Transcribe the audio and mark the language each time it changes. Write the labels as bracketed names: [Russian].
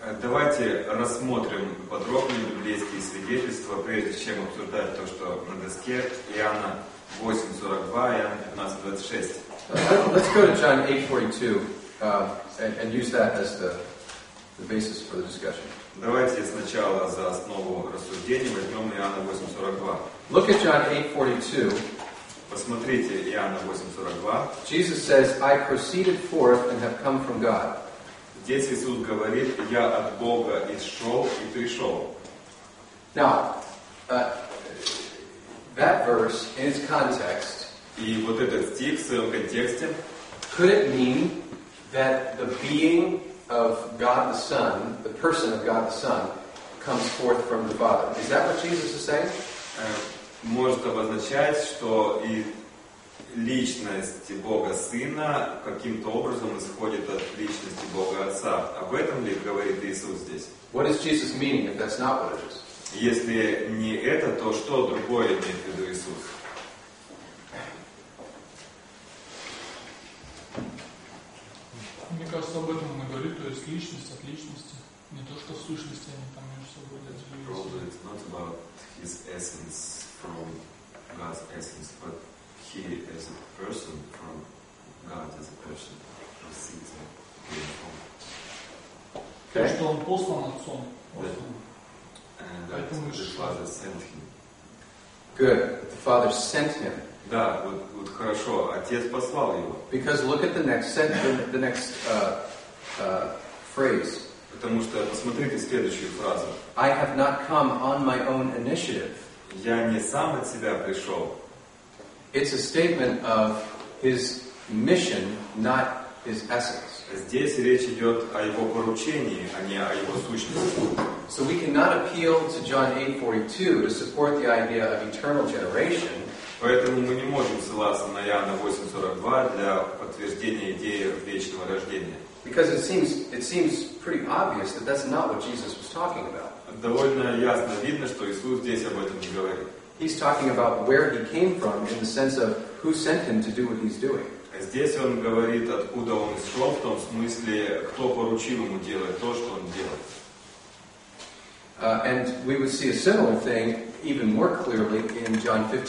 [Russian] Давайте рассмотрим подробнее библейские свидетельства, прежде чем обсуждать то, что на доске. Иоанна 8:42 и Иоанна 15:26. [English] Let's go to John 8:42 and use that as the basis for the discussion. [Russian] Давайте сначала за основу рассуждения возьмем Иоанна 8:42. [English] Look at John 8:42. [Russian] Посмотрите Иоанна 8:42. [English] Jesus says, I proceeded forth and have come from God. [Russian] Здесь Иисус говорит, я от Бога исшел и пришел. [English] Now, that verse in its context, [Russian] и вот этот стих в своем контексте, [English] could it mean that the being of God the Son, the person of God the Son, comes forth from the Father. Is that what Jesus is saying? [Russian] Может обозначать, что и личность Бога Сына каким-то образом исходит от личности Бога Отца. Об этом ли говорит Иисус здесь? [English] What is Jesus meaning if that's not what it is? [Russian] Если не это, то что другое имеет в виду Иисус? Мне кажется, об этом мы говорили, то есть личность от личности. Не то, что в сущности они там между собой отделились. [English] Probably it's not about his essence from God's essence, but he as a person from God as a person receives a gift from. [Russian] То, что он послан отцом. Поэтому [English] the Father sent him. Good. The Father sent him. [Russian] Да, вот, вот хорошо, Отец послал его. [English] Because look at the next sentence, the next phrase. [Russian] Потому что посмотрите следующую фразу. [English] I have not come on my own initiative. [Russian] Я не сам от себя пришел. [English] It's a statement of his mission, not his essence. [Russian] Здесь речь идет о его поручении, а не о его сущности. [English] So we cannot appeal to John 8:42 to support the idea of eternal generation. [Russian] Поэтому мы не можем ссылаться на Иоанна 8:42 для подтверждения идеи вечного рождения. [English] Because it seems pretty obvious that that's not what Jesus was talking about. [Russian] Довольно ясно видно, что Иисус здесь об этом не говорит. [English] He's talking about where he came from in the sense of who sent him to do what he's doing. [Russian] Здесь он говорит, откуда он исшел, в том смысле, кто поручил ему делать то, что он делает. [English] And we would see a similar thing even more clearly in John